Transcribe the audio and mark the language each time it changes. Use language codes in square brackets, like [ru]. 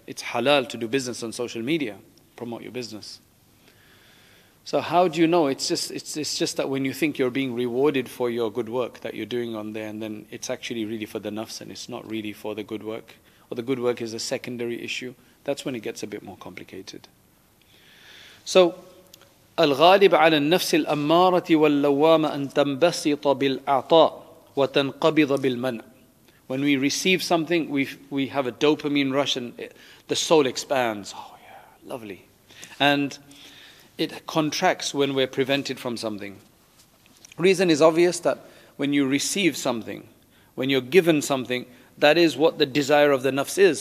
[en] It's halal to do business on social media, promote your business. So how do you know? It's just that when you think you're being rewarded for your good work that you're doing on there, and then it's actually really for the nafs and it's not really for the good work, or the good work is a secondary issue, that's when it gets a bit more complicated. [ar] So, الغالب على النفس الأمارة واللوامة أن تنبسط بالعطاء وتنقبض بالمنع. [en] When we receive something, we have a dopamine rush and the soul expands. Oh yeah, lovely. And it contracts when we're prevented from something. Reason is obvious that when you receive something, when you're given something, that is what the desire of the nafs is.